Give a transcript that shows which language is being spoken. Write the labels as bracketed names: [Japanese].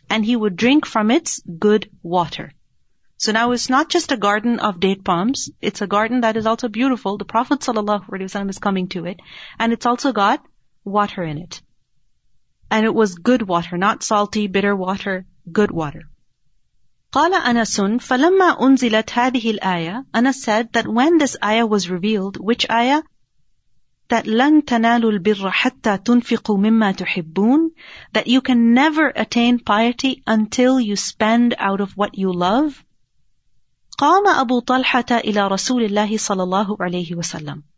[English] And he would drink from its good water. So now it's not just a garden of date palms. It's a garden that is also beautiful. The Prophet ﷺ is coming to it. And it's also got water in it. And it was good water, not salty, bitter water, good water. [Arabic] قال أنس فلما أنزلت هذه الآية. [English] Anas said that when this ayah was revealed, which ayah? [Arabic] That لن تنالوا البر حتى تنفقوا مما تحبون. [English] That you can never attain piety until you spend out of what you love. [Arabic] قام أبو طلحة إلى رسول الله صلى الله عليه وسلم.